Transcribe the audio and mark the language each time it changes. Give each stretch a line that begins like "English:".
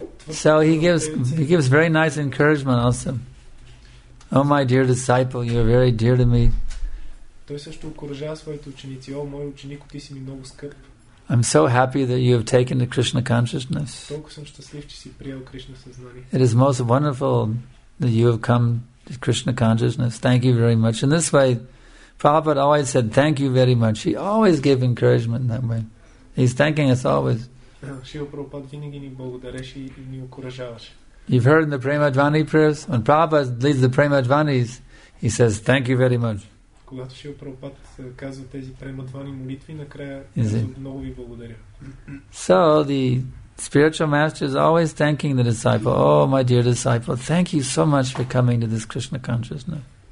English: So he gives very nice encouragement also. Oh my dear disciple, you are very dear to me.
Bulgarian: Той също окуражава своите ученици. О, мой ученик, ти си ми много скъп.
English: I'm so happy that you have taken the Krishna consciousness.
Bulgarian: Толкова съм щастлив, че си приел Кришна съзнание.
English: It is most wonderful that you have come to Krishna consciousness. Thank you very much. In this way, Prabhupada always said thank you very much. He always gave encouragement that way. He's thanking us always.
Bulgarian: Шрила Прабхупада винаги ни благодареше и ни окуражаваше.
English: You've heard in the Premadvani prayers, when Prabhupada leads the Premadvanis, he says, thank you very much.
Bulgarian: Когато Шрила Прабхупада казва тези Премадвани молитви, накрая казва, много ви благодаря.
English: So the spiritual master is always thanking the disciple. Oh, my dear disciple, thank you so much for coming to this Krishna consciousness.